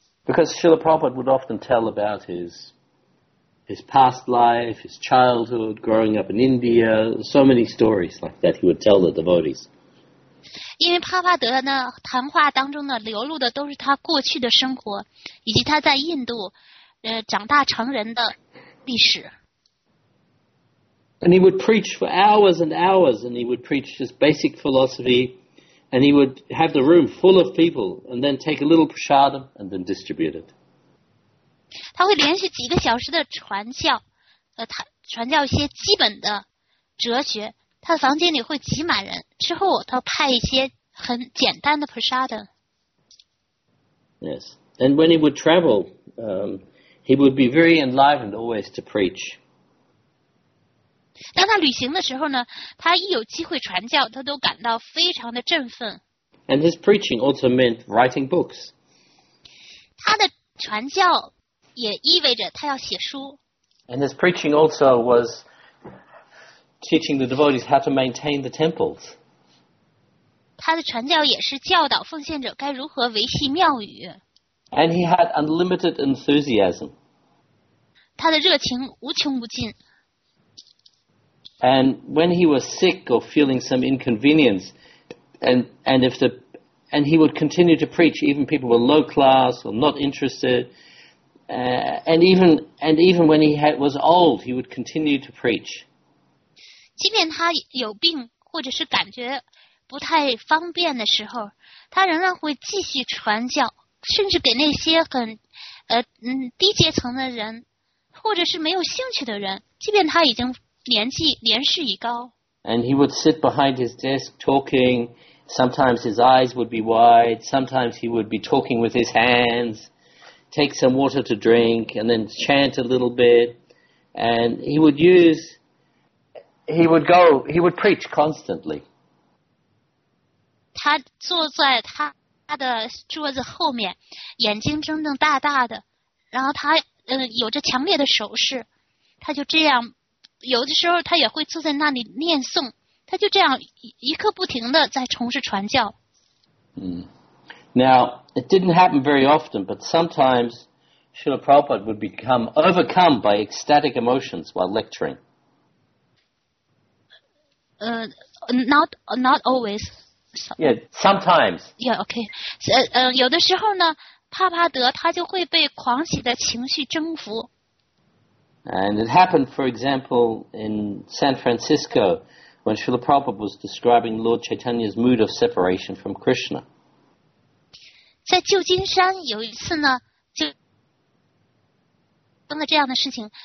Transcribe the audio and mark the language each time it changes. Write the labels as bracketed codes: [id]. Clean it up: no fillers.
[en] Because Srila Prabhupada would often tell about his past life, his childhood, growing up in India, so many stories like that he would tell the devotees. [zh] 因为帕帕德呢，谈话当中呢，流露的都是他过去的生活，以及他在印度，长大成人的历史。 [en] And he would preach for hours and hours, and he would preach his basic philosophy. And he would have the room full of people, and then take a little prasadam and then distribute it. [zh] 他会连续几个小时的传教，传教一些基本的哲学。他的房间里会挤满人，之后他派一些很简单的 prasadam. [en] Yes, and when he would travel, he would be very enlivened always to preach. [zh] 当他旅行的时候呢，他一有机会传教，他都感到非常的振奋。 [en] And his preaching also meant writing books. [zh] 他的传教也意味着他要写书。 [en] And his preaching also was teaching the devotees how to maintain the temples. [zh] 他的传教也是教导奉献者该如何维系庙宇。 [en] And he had unlimited enthusiasm. [zh] 他的热情无穷无尽。 [en] And when he was sick or feeling some inconvenience, and he would continue to preach, even people were low class or not interested, and even when was old, he would continue to preach. [zh] 即便他有病或者是感觉不太方便的时候，他仍然会继续传教，甚至给那些很低阶层的人，或者是没有兴趣的人，即便他已经年纪年事已高。 [en] And he would sit behind his desk talking, Sometimes his eyes would be wide, sometimes he would be talking with his hands, take some water to drink, and then chant a little bit. And he would preach constantly. [zh] 他坐在他的桌子后面，眼睛睁睁大大的，然后他有着强烈的手势，他就这样，有的时候他也会坐在那里念诵，他就这样一刻不停的在从事传教。 [en] Now, it didn't happen very often, but sometimes Srila Prabhupada would become overcome by ecstatic emotions while lecturing. Not always. Sometimes. Yeah, okay. [zh] 有的时候呢，帕帕德他就会被狂喜的情绪征服。 [en] And it happened, for example, in San Francisco, when Srila Prabhupada was describing Lord Chaitanya's mood of separation from Krishna. [zh] 在旧金山有一次呢，就发生了这样的事情。